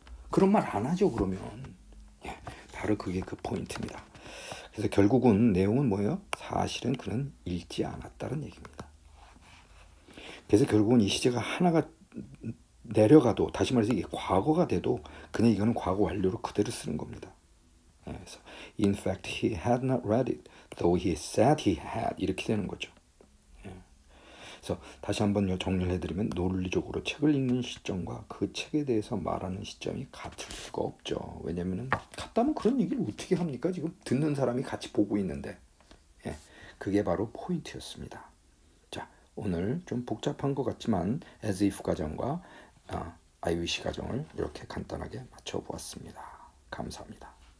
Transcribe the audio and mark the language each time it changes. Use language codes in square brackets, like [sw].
[ko] 그런 말안 하죠, 그러면. 예, 바로 그게 그 포인트입니다. 그래서 결국은 내용은 뭐예요? 사실은 그는 읽지 않았다는 얘기입니다. 그래서 결국은 이 시제가 하나가 내려가도, 다시 말해서 이게 과거가 돼도 그냥 이거는 과거 완료로 그대로 쓰는 겁니다. 그래서 [en] In fact, he had not read it, though he said he had. [ko] 이렇게 되는 거죠. 그래서 다시 한번 정리를 해드리면 논리적으로 책을 읽는 시점과 그 책에 대해서 말하는 시점이 같을 수가 없죠. 왜냐면은 같다면 그런 얘기를 어떻게 합니까? 지금 듣는 사람이 같이 보고 있는데. 예, 그게 바로 포인트였습니다. 자, 오늘 좀 복잡한 것 같지만 as if 과정과 I wish 과정을 이렇게 간단하게 맞춰보았습니다. 감사합니다.